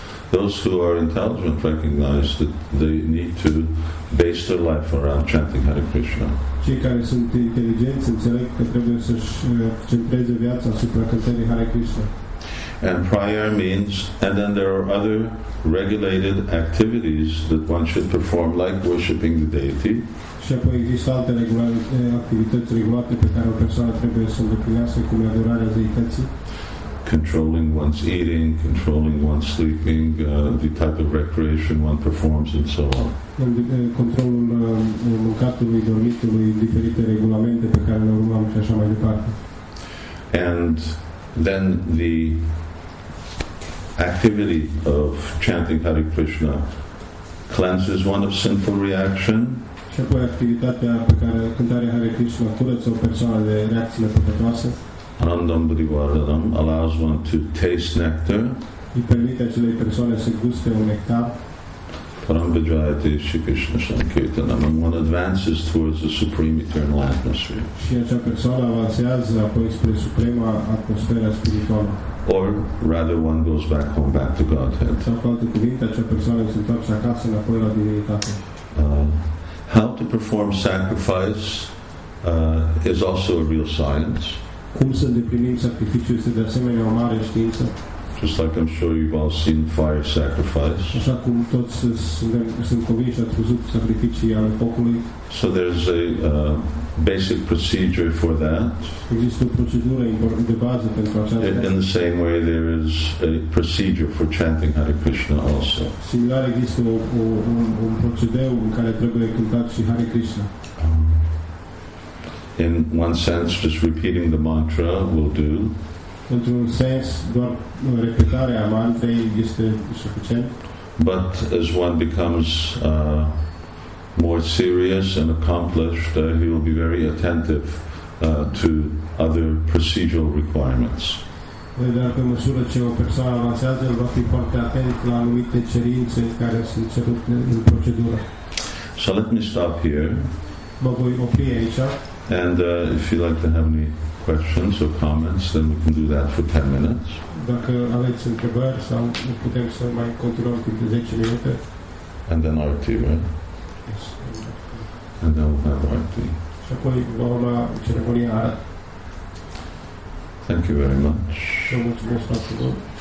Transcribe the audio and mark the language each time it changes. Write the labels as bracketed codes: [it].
[en] Those who are intelligent recognize that they need to base their life around chanting Hare Krishna. [ro] Cei care sunt inteligenți înțeleg că trebuie să-și centreze viața asupra cântării Hare Krishna. [en] And prayer means, and then there are other regulated activities that one should perform, like worshipping the deity. [ro] Și apoi există alte activități regulate pe care o persoană trebuie să îndeplinească, cum e adorarea deității. [en] Controlling one's eating, controlling one's sleeping, the type of recreation one performs, and so on. [ro] Controlul mâncatului, dormitului, diferite regulamente pe care le urmăm și așa mai departe. [en] And then the activity of chanting Hare Krishna cleanses one of sinful reaction. [ro] Și apoi activitatea pe care cântarea Hare Krishna curăță o persoană de reacțiile păcătoase. [sa] Anandam Bhrivardhanam [en] allows one to taste nectar. [ro] Îi permite acelei persoane să guste un nectar. [sa] Param Vijayate Shri Krishna Sankirtanam, [en] and one advances towards the supreme eternal atmosphere. [ro] Și acea persoană avansează apoi spre suprema atmosfera spirituală. [en] Or rather, one goes back home, back to Godhead. [ro] Sau cu alte cuvinte, acea persoană se întoarce acasă înapoi la divinitate. [en] How to perform sacrifice is also a real science. [ro] Cum să îndeplinim sacrificiul este de asemenea o mare știință. [en] Just like I'm sure you've all seen fire sacrifice. [ro] Așa cum toți sunt convinși ați văzut sacrificii ale focului. [en] So there's a basic procedure for that. [ro] Există o procedură de bază pentru aceasta. [en] In the same way there is a procedure for chanting Hare Krishna also. [ro] Similar există un procedeu în care trebuie cântat și Hare Krishna. [en] In one sense, just repeating the mantra will do. [ro] Într-un sens, doar repetarea mantrei este suficient. [en] But as one becomes more serious and accomplished, he will be very attentive to other procedural requirements. [ro] Dar pe măsură ce o persoană avansează, el va fi foarte atent la anumite cerințe care sunt cerute în procedură. [en] So let me stop here. [ro] Mă voi opri aici. [en] And if you'd like to have any questions or comments, then we can do that for 10 minutes. [ro] Dacă aveți întrebări sau nu putem să mai continuăm timp 10 minute. [en] And then RT, right? Yes. And then we'll have RT. [ro] Și apoi va urma ceremonia ara. [en] Thank you very much. [ro] Vă mulțumesc foarte mult.